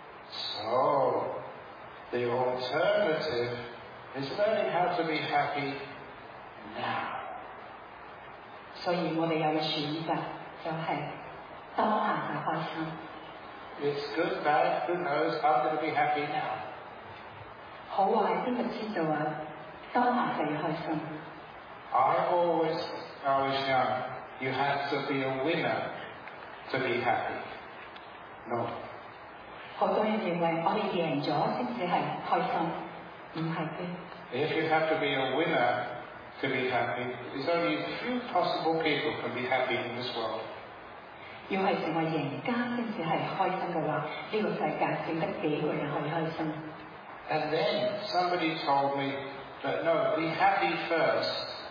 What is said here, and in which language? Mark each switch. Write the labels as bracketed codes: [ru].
[en] So the alternative is learning how to be happy now. [yue] 所以我哋有個選擇，就係當下嘅開心。 [en] It's good, bad, who knows, I'm going to be happy now. [yue] 好啊，今日知道啊，當下就要開心。 [en] I always, when I was young, you had to be a winner to be happy. No. [yue] 好多人認為我哋贏咗先至係開心，唔係嘅。 [en] If you have to be a winner to be happy, there's only a few possible people can be happy in this world. [yue] 要係成為贏家先至係開心嘅話，呢個世界剩得幾個人可以開心 [en] ？And then somebody told me that no, be happy first.